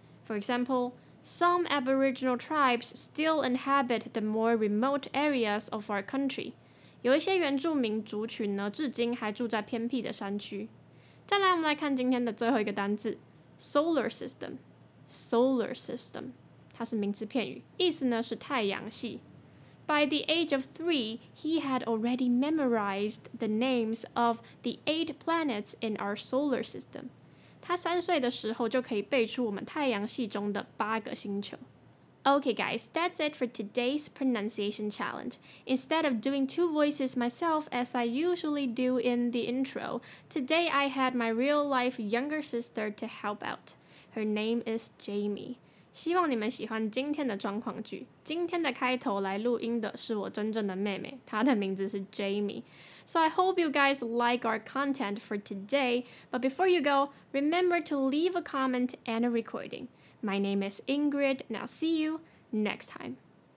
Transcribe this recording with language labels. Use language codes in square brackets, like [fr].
[en] For example, some Aboriginal tribes still inhabit the more remote areas of our country. [zh] 有一些原住民族群呢，至今还住在偏僻的山区。再来，我们来看今天的最后一个单字 ，solar system。 solar system 它是名词片语，意思呢是太阳系。 [en] By the age of 3, he had already memorized the names of the 8 planets in our solar system. [zh] 他三岁的时候就可以背出我们太阳系中的八个星球。 [en] Okay guys, that's it for today's pronunciation challenge. Instead of doing two voices myself as I usually do in the intro, today I had my real-life younger sister to help out. Her name is Jamie. [zh] 希望你们喜欢今天的状况句。今天的开头来录音的是我真正的妹妹，她的名字是 Jamie。 [en] So I hope you guys like our content for today. But before you go, remember to leave a comment and a recording. My name is Ingrid, and I'll see you next time.